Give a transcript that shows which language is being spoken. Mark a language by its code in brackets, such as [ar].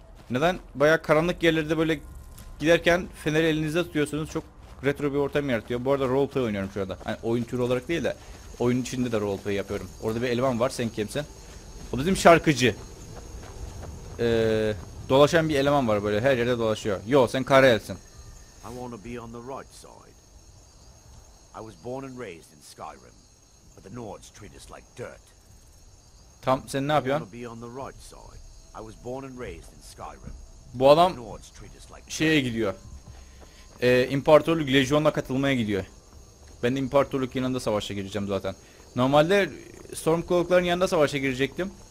[tr] Neden? Bayağı karanlık yerlerde böyle giderken feneri elinizde tutuyorsunuz, çok retro bir ortam yaratıyor. Bu arada roleplay oynuyorum şu anda. Hani oyun türü olarak değil de oyun içinde de roleplay yapıyorum. Orada bir eleman var, sen kimsin? O bizim şarkıcı. Dolaşan bir eleman var, böyle her yerde dolaşıyor. Yo, sen Karel'sin. [en] I was born and raised in Skyrim, but the Nords treat us like dirt. [tr] Tam sen ne yapıyorsun? [en] Be on the right side. I was born and raised in Skyrim. [tr] Bu adam şeye gidiyor. İmparatorluk lejyonuna katılmaya gidiyor. Ben imparatorluk yanında savaşa gireceğim zaten. Normalde Stormcloak'ların yanında savaşa girecektim.